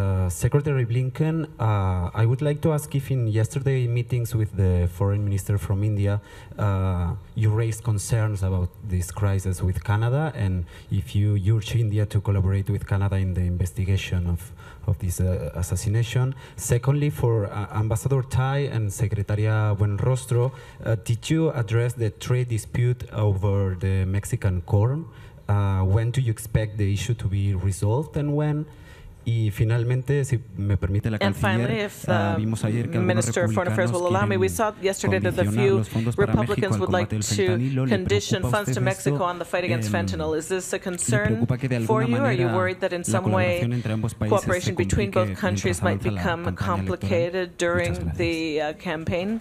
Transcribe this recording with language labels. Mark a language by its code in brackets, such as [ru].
[en] Secretary Blinken, I would like to ask if in yesterday meetings with the foreign minister from India, you raised concerns about this crisis with Canada, and if you urge India to collaborate with Canada in the investigation of this assassination. Secondly, for Ambassador Tai and Secretaria Buenrostro, did you address the trade dispute over the Mexican corn? When do you expect the issue to be resolved and when? [es] Y finalmente, si me permite la canciller, vimos ayer que algunos republicanos quieren [en] me, we saw yesterday that a few Republicans would like to condition funds to Mexico on the fight against fentanyl. Is this a concern for you? Are you worried that in some way cooperation between both countries might become complicated during the campaign?